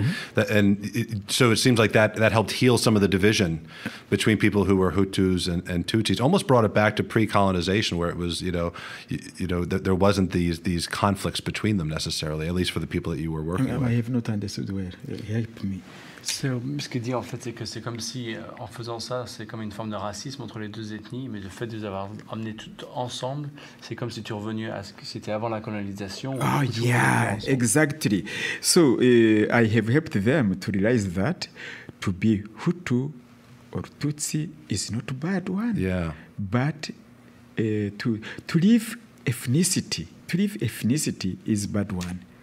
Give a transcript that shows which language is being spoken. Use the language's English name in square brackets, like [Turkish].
[English] Uh-huh. So it seems like that helped heal some of the division between people who were Hutus and Tutsis. Almost brought it back to pre-colonization, where it was, there wasn't these conflicts between them necessarily, at least for the people that you were working with. I have not understood where. Help me. [French] So, ce qu'il dit, en fait, c'est que c'est comme si, en faisant ça, c'est comme une forme de racisme entre les deux ethnies, mais le fait de les avoir emmenés toutes ensemble, c'est comme si tu es revenu à ce que c'était avant la colonisation. [English] Oh, yeah, exactly. So, I have helped them to realize that to be Hutu or Tutsi is not a bad one. Yeah. But to leave ethnicity is a bad one.